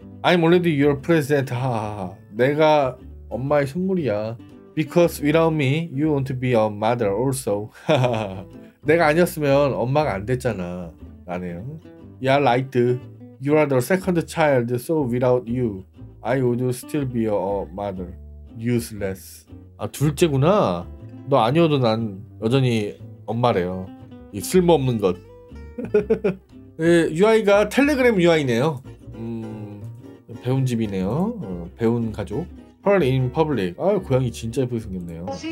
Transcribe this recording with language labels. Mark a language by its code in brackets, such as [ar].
[en] I'm already your present. [ko] 하하하. 내가 엄마의 선물이야. [en] Because without me, you won't be a mother also. [ko] 내가 아니었으면 엄마가 안 됐잖아. 라네요. [en] You are light. You are the second child. So without you, I would still be a mother. [ko] Useless. 아, 둘째구나. 너 아니어도 난 여전히 엄마래요. 이 쓸모없는 것. 예, UI가 텔레그램 UI네요. 배운 집이네요. 배운 가족. [en] Pearl in public. [ko] 아, 고양이 진짜 예쁘게 생겼네요.